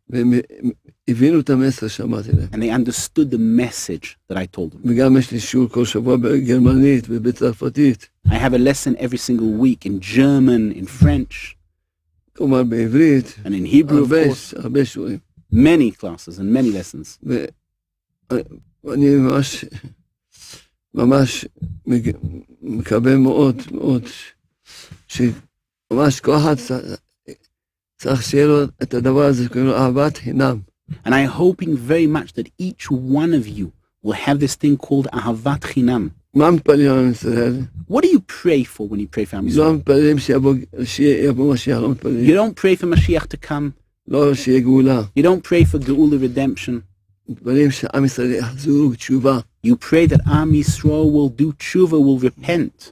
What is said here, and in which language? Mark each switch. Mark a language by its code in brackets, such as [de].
[he] והם הבינו את המסר שאמרתי להם. [en] And they understood the message that I told them. [he] וגם יש לי שיעור כל שבוע בגרמנית ובצרפתית. [en] I have a lesson every single week in German, in French. [he] כלומר בעברית. [en] And in Hebrew, of course. [he] הרבה שיעורים. [en] Many classes and many lessons. [he] ואני ממש... ממש מקווה מאוד מאוד שממש כל אחד צריך שיהיה לו את הדבר הזה שקוראים לו אהבת חינם. [en] And I'm hoping very much that each one of you will have this thing called אהבת חינם. [he] מה מפלים על ישראל? [en] What do you pray for when you pray for Israel? [he] לא מפלים שיבוא משיח, לא מפלים. [en] You don't pray for Mashiach to come. [he] לא שיהיה גאולה. [en] You don't pray for Geula redemption. [he] מפלים שעם ישראל יחזור בתשובה. [en] You pray that Am Yisrael will do tshuva, will repent.